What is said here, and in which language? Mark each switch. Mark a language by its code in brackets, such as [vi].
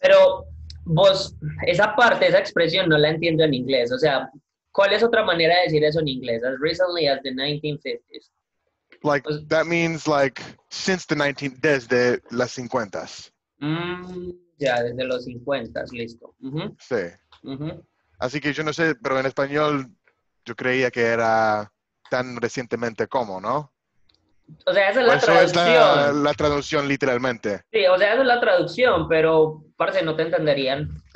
[es] Pero vos, esa parte, esa expresión no la entiendo en inglés. O sea, ¿cuál es otra manera de decir eso en inglés? [en] As recently as the 1950s. Like, that means like, since the 19, [es] desde las 50s. Ya, desde los 50s, listo. Sí. Así que yo no sé, pero en español yo creía que era tan recientemente como, ¿no? O sea, esa es la eso traducción. Es la traducción literalmente. Sí, o sea, esa es la traducción, pero parece no te entenderían.